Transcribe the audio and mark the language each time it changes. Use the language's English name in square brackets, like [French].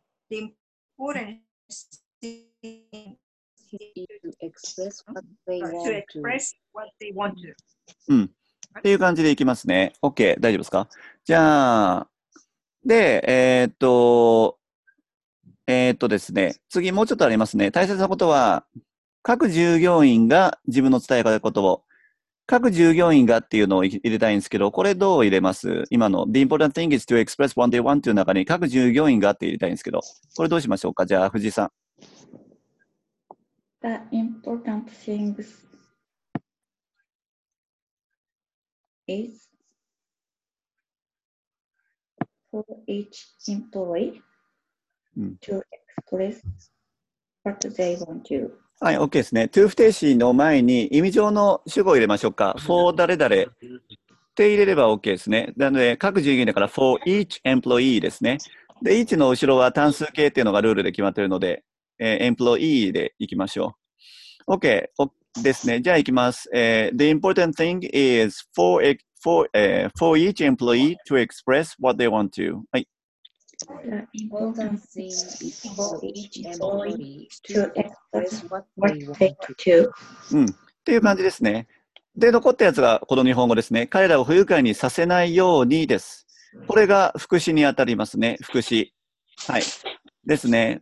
[English] the important thing is to express what they want to. the important thing is to express what they want to. [Japanese] うん。っていう感じでいきますね。OK、大丈夫ですか？じゃあ、で、ですね、次もうちょっとありますね。大切なことは、各従業員が自分の伝え方ことを、各従業員がっていうのを入れたいんですけど、これどう入れます？今の [English] The important thing is to express one day one [Japanese] という中に各従業員がって入れたいんですけど、これどうしましょうか？じゃあ、藤井さん。 [English] The important thing is for each employee. [Japanese] うん、はい、OK ですね。 to 不定詞の前に意味上の主語を入れましょうか。 for 誰々って入れれば OK ですね。なので、各従業員だから [English] for each employee [Japanese] ですね。で、each の後ろは単数形っていうのがルールで決まってるので、employee でいきましょう。 OK ですね。じゃあいきます。 [English] the important thing is for each employee to express what they want to. [Japanese] はい。うん、っていう感じですね。で、残ったやつがこの日本語ですね。彼らを不愉快にさせないようにです。これが副詞に当たりますね。副詞。はい。ですね。